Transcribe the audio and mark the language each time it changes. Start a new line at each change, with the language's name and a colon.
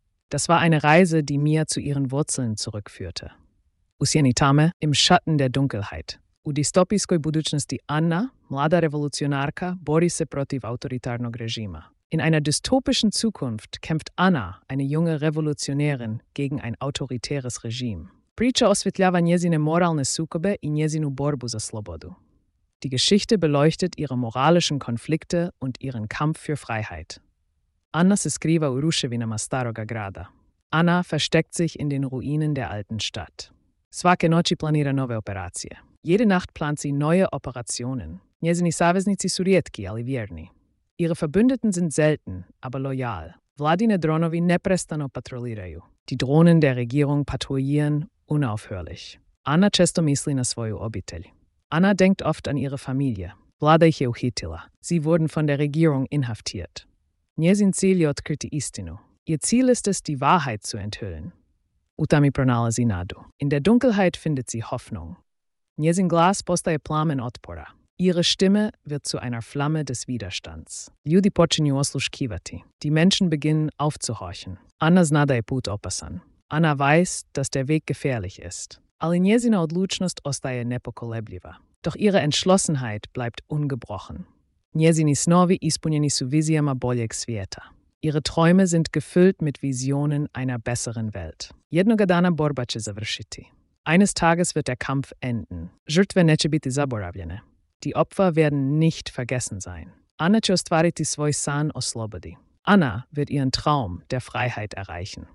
German: Das war eine Reise, die Mia zu ihren Wurzeln zurückführte.
Croatian: U sjeni tame,
German: im Schatten der Dunkelheit.
Croatian: U distopijskoj budućnosti Anna, mlada revolucionarka, bori se protiv autoritarnog režima.
German: In einer dystopischen Zukunft kämpft Anna, eine junge Revolutionärin, gegen ein autoritäres Regime.
Croatian: Priča osvjetljava njezine moralne sukobe i njezinu borbu za slobodu.
German: Die Geschichte beleuchtet ihre moralischen Konflikte und ihren Kampf für Freiheit.
Croatian: Anna se skriva u ruševinama staroga grada.
German: Anna versteckt sich in den Ruinen der alten Stadt.
Croatian: Svake noći planira nove operacije.
German: Jede Nacht plant sie neue Operationen.
Croatian: Njezini saveznici su rijetki, ali vjerni.
German: Ihre Verbündeten sind selten, aber loyal.
Croatian: Vladine dronovi neprestano patroliraju.
German: Die Drohnen der Regierung patrouillieren unaufhörlich.
Croatian: Anna često misli na svoju obitelj.
German: Anna denkt oft an ihre Familie.
Croatian: Vlada ih je uhitila.
German: Sie wurden von der Regierung inhaftiert.
Croatian: Njezin cilj je otkriti istinu.
German: Ihr Ziel ist es, die Wahrheit zu enthüllen.
Croatian: Utami pronalazi nadu.
German: In der Dunkelheit findet sie Hoffnung.
Croatian: Njezin glas postaje plamen otpora.
German: Ihre Stimme wird zu einer Flamme des Widerstands.
Croatian: Ljudi počinju osluškivati.
German: Die Menschen beginnen aufzuhorchen.
Croatian: Anna zna da je put opasan.
German: Anna weiß, dass der Weg gefährlich ist.
Croatian: Ali njezina odlučnost ostaje nepokolebljiva.
German: Doch ihre Entschlossenheit bleibt ungebrochen.
Croatian: Njezini snovi ispunjeni su vizijama boljeg svijeta.
German: Ihre Träume sind gefüllt mit Visionen einer besseren Welt.
Croatian: Jednoga dana borba će završiti.
German: Eines Tages wird der Kampf enden.
Croatian: Žrtve neće biti zaboravljene.
German: Die Opfer werden nicht vergessen sein.
Croatian: Anna će ostvariti svoj san o slobodi.
German: Anna wird ihren Traum der Freiheit erreichen.